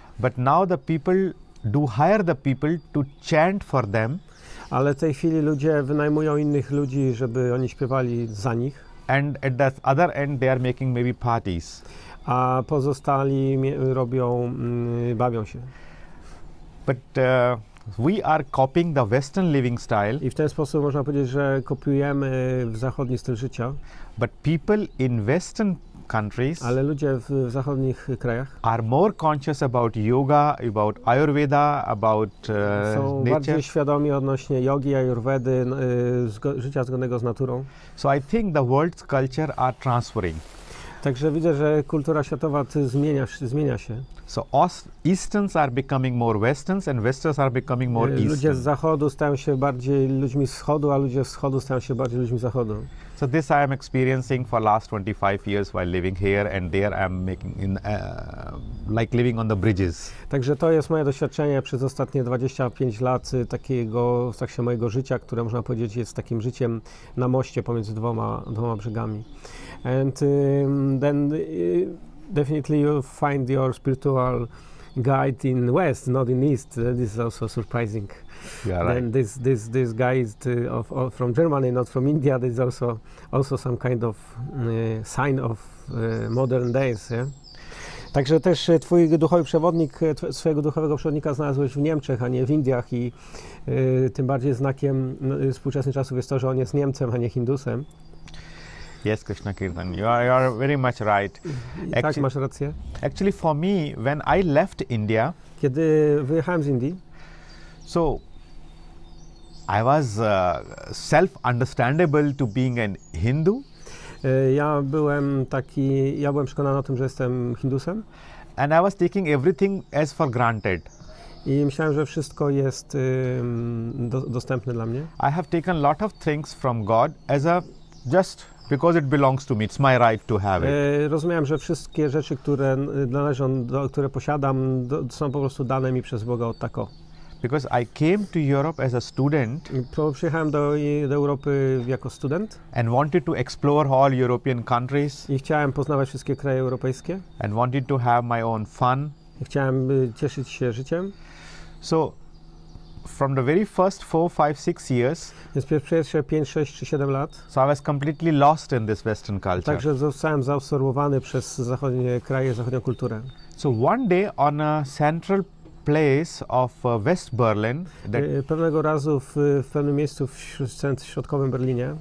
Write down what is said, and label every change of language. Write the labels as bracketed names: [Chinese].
[English] But now the people do hire the people to chant for them. [Polish] Ale w tej chwili ludzie wynajmują innych ludzi, żeby oni śpiewali za nich. [English] And at the other end, they are making maybe parties. [Polish] A pozostali robią, bawią się. [English] But we are copying the Western living style. [Polish] I w ten sposób można powiedzieć, że kopiujemy zachodni styl życia. [English] But people in Western countries, [Polish] ale ludzie w zachodnich krajach, [English] are more conscious about yoga, about Ayurveda, about [Polish] nature. Są bardziej świadomi odnośnie jogi, Ayurvedy, życia zgodnego z naturą. [English] So I think the world's culture are transferring. [Polish] Także widzę, że kultura światowa zmienia się. [English] So Easterns are becoming more Westerns and Westerns are becoming more Easterns. [Polish] Ludzie z zachodu stają się bardziej ludźmi wschodu, a ludzie z wschodu stają się bardziej ludźmi zachodu. [English] So this I am experiencing for last 25 years while living here and there I am making in like living on the bridges. [Polish] Także to jest moje doświadczenie przez ostatnie 25 lat takiego w trakcie mojego życia, które można powiedzieć jest takim życiem na moście pomiędzy dwoma brzegami. [English] And then definitely you find your spiritual guide in West, not in East. This is also surprising. Yeah, right. And this guy is from Germany, not from India. This is also some kind of sign of modern days. Yeah? [Polish] Także też twój duchowy przewodnik, swojego duchowego przewodnika znalazłeś w Niemczech, a nie w Indiach. I tym bardziej znakiem współczesnych czasów jest to, że on jest Niemcem, a nie Hindusem. [English] Yes, Krishna Kirtan, you are very much right. [Polish] Tak, masz rację. [English] Actually, for me, when I left India, [Polish] Kiedy wyjechałem z Indii? [English] So I was self-understandable to being an Hindu. [Polish] Ja byłem przekonany o tym, że jestem Hindusem. [English] And I was taking everything as for granted. [Polish] I myślałem, że wszystko jest dostępne dla mnie. [English] I have taken a lot of things from God as a just because it belongs to me, it's my right to have it. [Polish] Rozumiałem, że wszystkie rzeczy, które należą, które posiadam, są po prostu dane mi przez Boga od tako. [English] Because I came to Europe as a student. [Polish] Przyjechałem do Europy jako student. [English] And wanted to explore all European countries. [Polish] I chciałem poznawać wszystkie kraje europejskie. [English] And wanted to have my own fun. [Polish] I chciałem cieszyć się życiem. [English] So from the very first 4, 5, 6 years. [Polish] Więc pierwsze 5, 6 czy 7 lat. [English] So I was completely lost in this Western culture. [Polish] Także zostałem zaabsorbowany przez zachodnie kraje, zachodnią kulturę. [English] So one day on a central place of West Berlin. [Polish] Pewnego razu w pewnym miejscu w środkowym Berlinie.